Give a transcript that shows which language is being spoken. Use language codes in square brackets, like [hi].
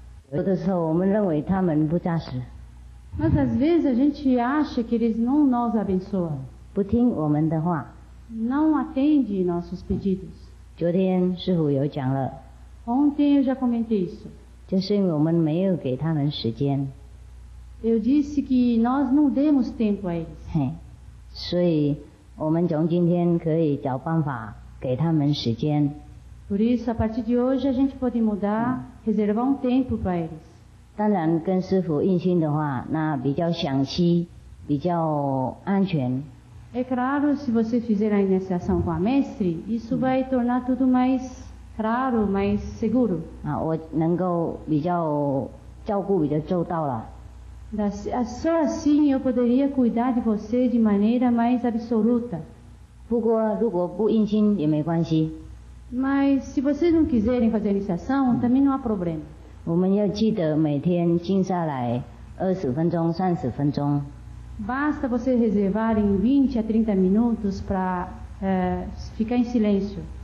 [zh] 不过有的时候我们认为他们不加持. [pt] Mas às vezes a gente acha que eles não nos abençoam. [zh] 不听我们的话. [pt] Não atende nossos pedidos. [zh] 昨天师父有讲了. [pt] Ontem eu já comentei isso. [zh] 就是因为我们没有给他们时间. [pt] Eu disse que nós não demos tempo a eles. [zh] 嘿, 所以 我们从今天可以找办法给他们时间. [pt] Por isso, a partir de hoje, a gente pode mudar, reservar tempo para eles. [zh] 当然跟师父应心的话, 那比较详细, 比较安全. [pt] É claro, se você fizer a iniciação com a mestre, isso vai tornar tudo mais claro, mais seguro. [zh] 啊, 我能够比较照顾比较周到了. [pt] Só assim eu poderia cuidar de você de maneira mais absoluta. [zh] 不过如果不应心也没关系. [pt] Mas se vocês não quiserem fazer a iniciação, também não há problema. [zh] 我们要记得每天静下来 20分钟, 30分钟. [pt] Basta vocês reservarem 20 a 30 minutos para ficar em silêncio.